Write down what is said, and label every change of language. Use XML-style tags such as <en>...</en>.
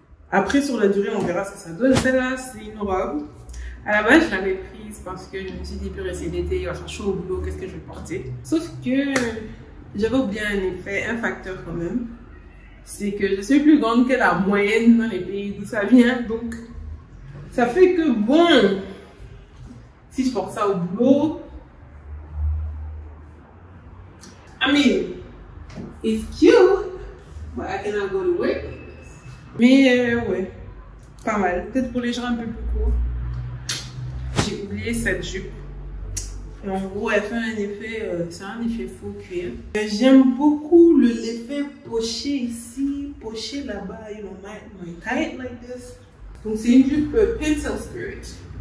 <fr>Après, sur la durée, on verra ce que ça donne. Celle-là, c'est une robe. À la base, je l'avais prise parce que je me suis dit, purée, c'est l'été, il va faire chaud au boulot, qu'est-ce que je vais porter? Sauf que j'avais oublié un effet, un facteur quand même. C'est que je suis plus grande que la moyenne dans les pays d'où ça vient. Donc, ça fait que bon. Si je porte ça au boulot,</fr> <en>I mean, it's cute, but I cannot go to work.</en> <fr>Mais ouais, pas mal. Peut-être pour les gens un peu plus courts. J'ai oublié cette jupe. Et en gros, elle fait un effet, c'est un effet faux cuir. J'aime beaucoup l'effet poché ici, poché là-bas.</fr> <en>You know, my tight like this.</en> <fr>Donc c'est une jupe pencil skirt.</fr>